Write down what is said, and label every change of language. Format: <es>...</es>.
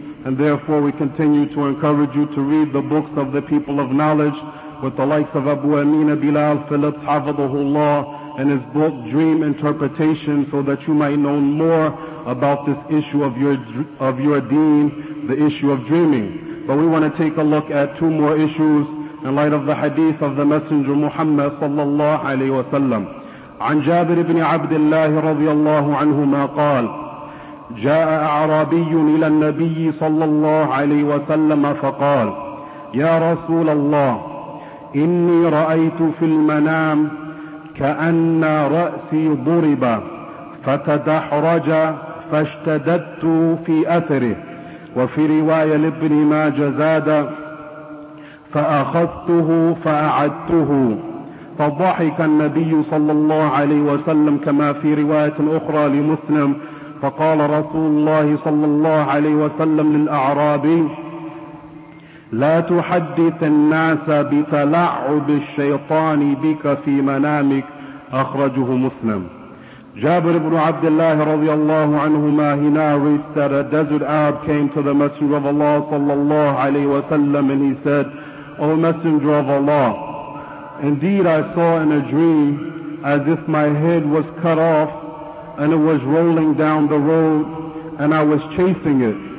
<en>And therefore, we continue to encourage you to read the books of the people of knowledge with the likes of Abu Amina Bilal Phillips, hafidhahullah, and his book, Dream Interpretation, so that you might know more about this issue of your deen, the issue of dreaming. But we want to take a look at two more issues in light of the hadith of the Messenger Muhammad sallallahu alayhi wa sallam.</en> <ar>عن جابر بن عبد الله رضي الله عنهما قال جاء أعرابي إلى النبي صلى الله عليه وسلم فقال يا رسول الله إني رأيت في المنام كأن رأسي ضرب فتدحرج فاشتددت في أثره وفي رواية لابن ماجه زاد فأخذته فأعدته فضحك النبي صلى الله عليه وسلم كما في رواية أخرى لمسلم فقال رسول الله صلى الله عليه وسلم للأعرابي لا تحدث الناس بتلعب الشيطان بك في منامك أخرجه مسلم.</ar> <en>جابر بن عبد الله</en> <ar>رضي الله عنهما</ar> <en>he narrates that a desert Arab came to the Messenger of Allah</en> <ar>صلى الله عليه وسلم</ar> <en>and he said, O Messenger of Allah, indeed I saw in a dream as if my head was cut off and it was rolling down the road and I was chasing it.</en>